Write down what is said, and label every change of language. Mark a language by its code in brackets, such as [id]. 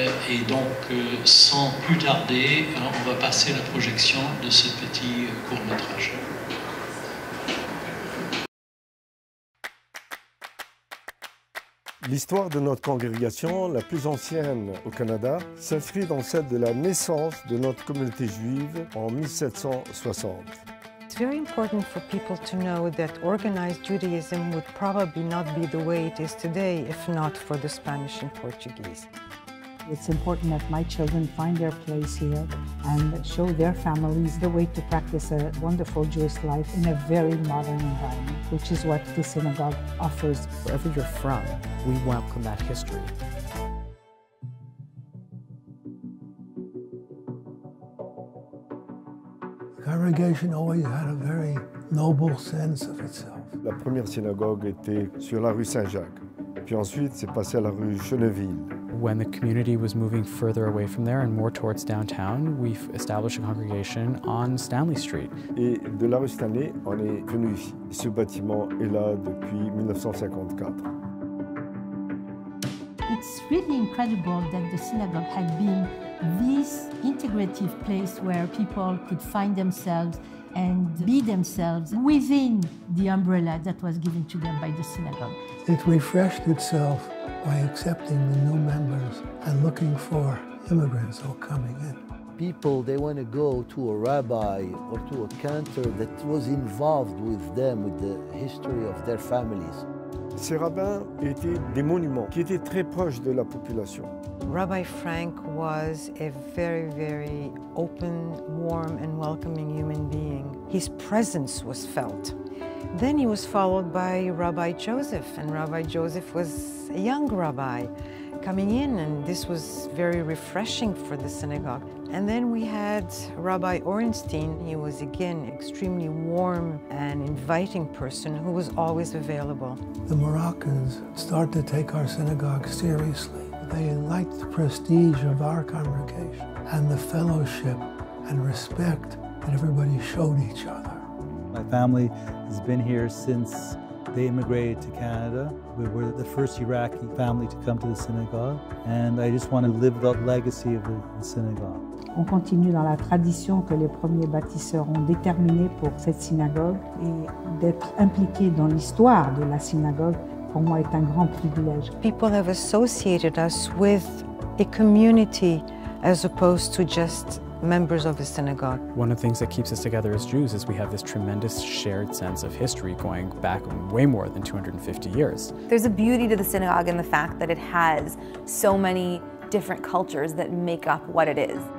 [fr] Et donc, sans plus tarder, on va passer à la projection de ce petit court-métrage. L'histoire de notre congrégation, la plus ancienne au Canada, s'inscrit dans celle de la naissance de notre communauté juive en 1760. [en] It's very important for people to know that organized Judaism would probably not be the way it is today if not for the Spanish and Portuguese. It's important that my children find their place here and show their families the way to practice a wonderful Jewish life in a very modern environment, which is what the synagogue offers. Wherever you're from, we welcome that history. Congregation always had a very noble sense of itself. [fr] La première synagogue était sur la rue Saint-Jacques, puis ensuite c'est passé à la rue Geneville. [en] When the community was moving further away from there and more towards downtown, we established a congregation on Stanley Street. [fr] Et de la rue Stanley, on est venu ici. Ce bâtiment est là depuis 1954. [en] It's really incredible that the synagogue had been this integrative place where people could find themselves and be themselves within the umbrella that was given to them by the synagogue. It refreshed itself by accepting the new members and looking for immigrants all coming in. People, they want to go to a rabbi or to a cantor that was involved with them, with the history of their families. [fr] Ces rabbins étaient des monuments qui étaient très proches de la population. [en] Rabbi Frank was a very, very open, warm, and welcoming human being. His presence was felt. Then he was followed by Rabbi Joseph, and Rabbi Joseph was a young rabbi coming in, and this was very refreshing for the synagogue. And then we had Rabbi Ornstein. He was, again, extremely warm and inviting person who was always available. The Moroccans start to take our synagogue seriously. They liked the prestige of our congregation and the fellowship and respect that everybody showed each other. My family has been here since they immigrated to Canada. We were the first Iraqi family to come to the synagogue, and I just want to live the legacy of the synagogue. [fr] On continue dans la tradition que les premiers bâtisseurs ont déterminée pour cette synagogue, et d'être impliqué dans l'histoire de la synagogue, pour moi, est un grand privilège. [en] People have associated us with a community as opposed to just members of the synagogue. One of the things that keeps us together as Jews is we have this tremendous shared sense of history going back way more than 250 years. There's a beauty to the synagogue in the fact that it has so many different cultures that make up what it is.